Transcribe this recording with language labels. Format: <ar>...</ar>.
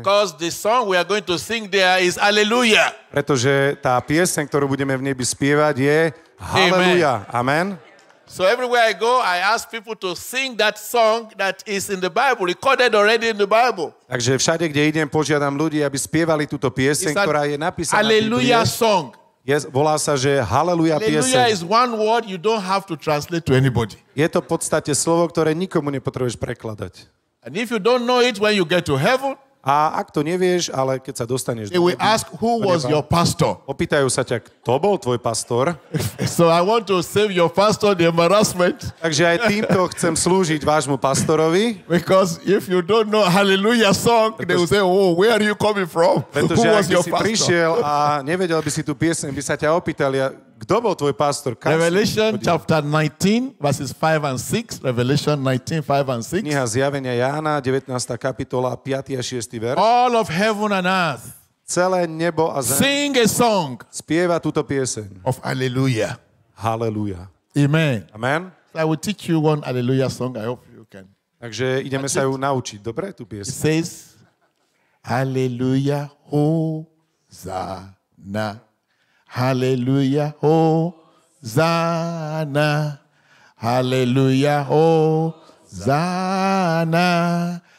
<en>Because the song we are going to sing there is hallelujah.</en> <sk>Pretože tá pieseň, ktorú budeme v nebi spievať, je hallelujah. Amen.</sk> <en>So everywhere I go, I ask people to sing that song that is in the Bible, recorded already in the Bible.</en> <sk>Takže všade, kde idem, požiadam ľudí, aby spievali túto pieseň, ktorá je napísaná.</sk> <en>Hallelujah song.</en> <sk>Yes, volá sa, že haleluja pieseň.</sk> <en>Hallelujah is one word you don't have to translate to anybody.</en> <sk>Je to v podstate slovo, ktoré nikomu nepotrebuješ prekladať.</sk> <en>And if you don't know it when you get to heaven,</en> <sk>a ak to nevieš, ale keď sa dostaneš do neba, opýtajú sa ťa, kto bol tvoj pastor.</sk> <en>So I want to save your pastor the embarrassment.</en> <sk>Takže aj týmto chcem slúžiť vášmu pastorovi.</sk> <en>Because if you don't know hallelujah song, they will say, oh, where are you coming from?</en> <sk>Pretože ak by si prišiel a nevedel by si tú pieseň, by sa ťa opýtali, kto bol tvoj pastor?</sk> <en>Revelation chapter 19, verses 5 and 6. Revelation 19, 5 and 6.</en> <sk>Kniha Zjavenia Jána, 19. kapitola, 5. a 6. verš.</sk> <en>All of heaven and earth.</en> <sk>Celé nebo a zem.</sk> <en>Sing a song.</en> <sk>Spieva túto pieseň.</sk> <en>Of hallelujah. Hallelujah. Amen. Amen. So I will teach you one hallelujah song. I hope you can.</en> <sk>Takže ideme sa ju naučiť. Dobre, tú pieseň.</sk> <en>It says, hallelujah, hosanna. Hallelujah, hosanna. Hallelujah, hosanna.</en>